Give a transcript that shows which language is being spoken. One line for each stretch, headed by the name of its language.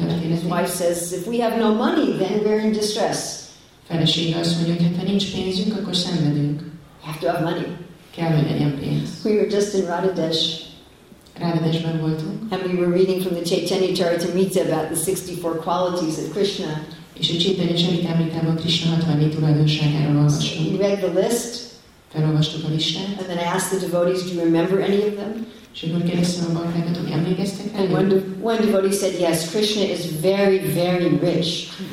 English: His wife says, if we have no money, then we're in distress.
Hungarian: Felesége azt mondja, hogy ha nincs pénzünk, akkor szenvedünk.
English: You have to have money.
Hungarian: Kell, hogy legyen pénz.
English: We were just in Radhadesh.
Hungarian: Radhadeshben voltunk.
English: And we were reading from the Chaitanya Charitamrita about the 64 qualities of Krishna.
Hungarian: És a Chaitanya Charitamritában Krishna 64 tulajdonságáról olvastunk.
English: We read the list.
Hungarian: Felolvastuk a listát.
English: And then I asked the devotees, do you remember any of them? And one devotee said, yes, Krishna is very, very rich.